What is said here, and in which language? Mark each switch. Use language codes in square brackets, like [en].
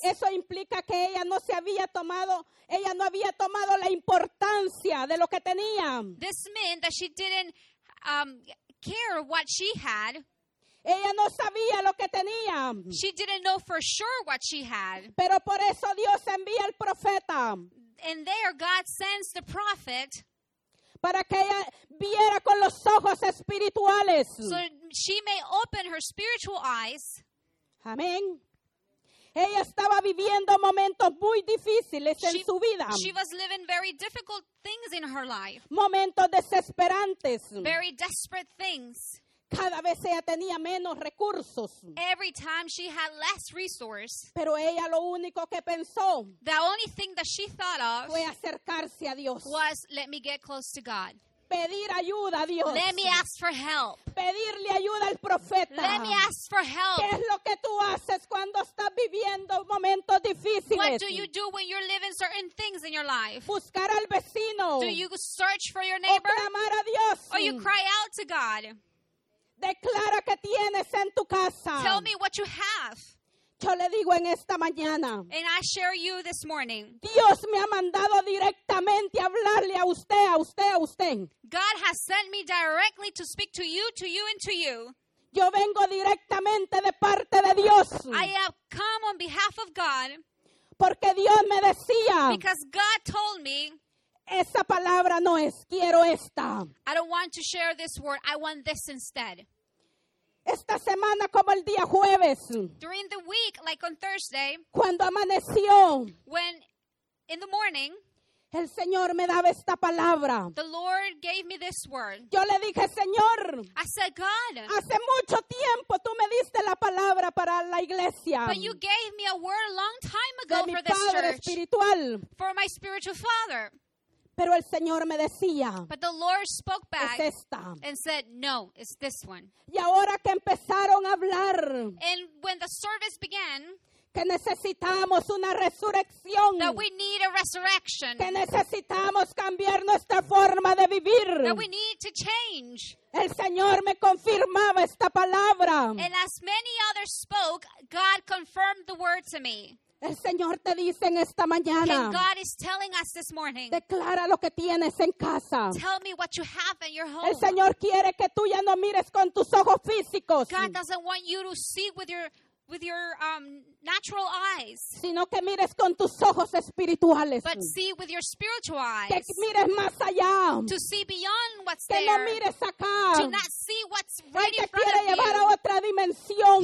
[es] Eso implica que ella no se había tomado, ella no había tomado la importancia de lo que tenía. [en] This means that she didn't care what she had. [es] Ella no sabía lo que tenía. [en] She didn't know for sure what she had. [es] Pero por eso Dios envía el profeta. [en] And there God sends the prophet. [es] Para que ella viera con los ojos espirituales. [en] So she may open her spiritual eyes. [es] Amén. Ella estaba viviendo momentos muy difíciles en su vida. [en] She was living very difficult things in her life. [es] Momentos desesperantes. [en] Very desperate things. [es] Cada vez ella tenía menos recursos. [en] Every time she had less resource. [es] Pero ella lo único que pensó. [en] The only thing that she thought of. [es] Fue acercarse a Dios. [en] Was let me get close to God. [es] Pedir ayuda a Dios. [en] Let me ask for help. [es] Pedirle ayuda al profeta. [en] Let me ask for help. [es] ¿Qué es lo que tú haces cuando estás viviendo momentos difíciles? [en] What do you do when you're living certain things in your life? [es] Buscar al vecino. [en] Do you search for your neighbor? [es] O clamar a Dios. [en] Or you cry out to God. [es] Declara que tienes en tu casa. [en] Tell me what you have. [es] Yo le digo en esta mañana. [en] And I share you this morning. [es] Dios me ha mandado directamente a hablarle a usted, a usted, a usted. [en] God has sent me directly to speak to you, to you, and to you. [es] Yo vengo directamente de parte de Dios. [en] I have come on behalf of God. [es] Porque Dios me decía. [en] Because God told me. [es] Esa palabra no es, quiero esta. [en] I don't want to share this word, I want this instead. [es] Esta semana como el día jueves. [en] During the week, like on Thursday. [es] Cuando amaneció. [en] When in the morning. [es] El Señor me daba esta palabra. [en] The Lord gave me this word. [es] Yo le dije, Señor. [en] I said, God. [es] Hace mucho tiempo tú me diste la palabra para la iglesia. [en] But you gave me a word a long time ago for this church. [es] De mi padre espiritual. [en] For my spiritual father. [es] Pero el Señor me decía, [en] but the Lord spoke back [es] es esta. [en] And said, no, it's this one. [es] Y ahora que empezaron a hablar, [en] and when the service began, [es] que necesitamos una resurrección, [en] that we need a resurrection, [es] que necesitamos cambiar nuestra forma de vivir, [en] that we need to change. [es] El Señor me confirmaba esta palabra. [en] And as many others spoke, God confirmed the word to me. [es] El Señor te dice en esta mañana. [en] And God is telling us this morning. [es] Declara lo que tienes en casa. [en] Tell me what you have in your home. [es] El Señor quiere que tú ya no mires con tus ojos físicos. [en] God doesn't want you to see with your natural eyes. [es] Sino que mires con tus ojos espirituales. [en] But see with your spiritual eyes. [es] Que mires más allá. [en] To see beyond what's [es] que [en] there. [es] Que no mires acá. [en] To not see what's right in front of you. [es] Él te quiere llevar a otra dimensión.